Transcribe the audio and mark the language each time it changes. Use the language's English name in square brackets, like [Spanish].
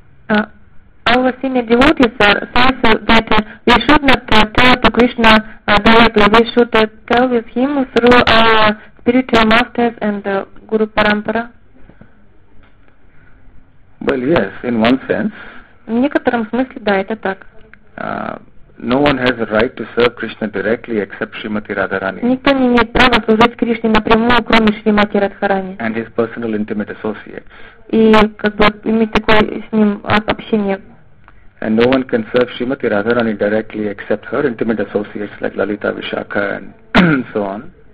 [English] Our senior devotees says that we should not tell to Krishna directly. We should tell with him through our spiritual masters and Guru Parampara. Well, yes, in one sense. [Russian] В некотором смысле, да, это так. [English] No one has a right to serve Krishna directly except Srimati Radharani. [Russian] Никто не имеет права служить Кришне напрямую, кроме Шримати Радхарани. [English] And his personal intimate associates. [Russian] И как бы иметь такое с ним общение. [English] And no one can serve Srimati Radharani directly except her intimate associates like Lalita, Vishakha and so on.